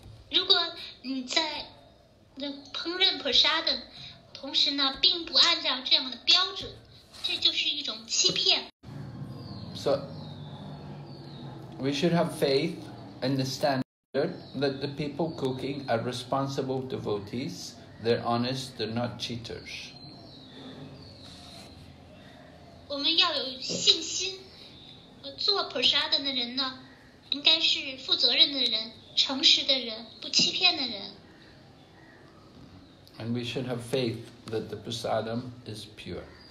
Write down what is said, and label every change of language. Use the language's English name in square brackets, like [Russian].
[Chinese] 如果你在烹饪 prasad 的同时呢，并不按照这样的标准，这就是一种欺骗。 [English] So, we should have faith in the standard that the people cooking are responsible devotees. They're honest. They're not cheaters. [Chinese] 我们要有信心，做 prasad 的人呢，应该是负责任的人，诚实的人，不欺骗的人。 [English] And we should have faith that the prasadam is pure.